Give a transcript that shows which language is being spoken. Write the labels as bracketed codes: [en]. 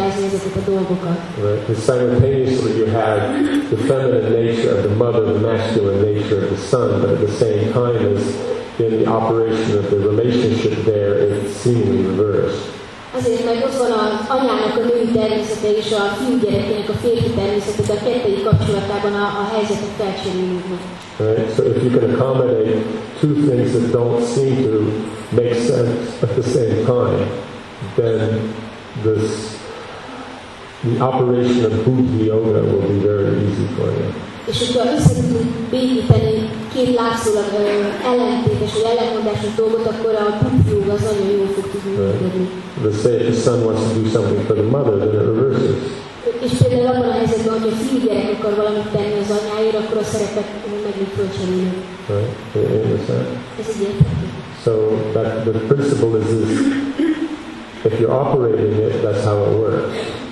[en] Right, because simultaneously you have the feminine nature of the mother, the masculine nature of the son, but at the same time as in the operation of the relationship there, it's seemingly reversed. [hu] Azért, mert ott van az anyának a női természete és a fiú gyerekének a férfi természete, de a kettőjük kapcsolatában a helyzetet felcserélünk. [en] Right, so if you can accommodate two things that don't seem to make sense at the same time, then the operation of Bhuti Yoga will be very easy for you. [hu] És hogyha összetudunk békíteni két látszólag ellentétes vagy ellentmondásos dolgot, akkor a Bhuti Yoga az nagyon jól fog tudni működni. [en] Let's say if the son wants to do something for the mother, then it reverses. Right? You understand? So that the principle is this. If you're operating it, that's how it works.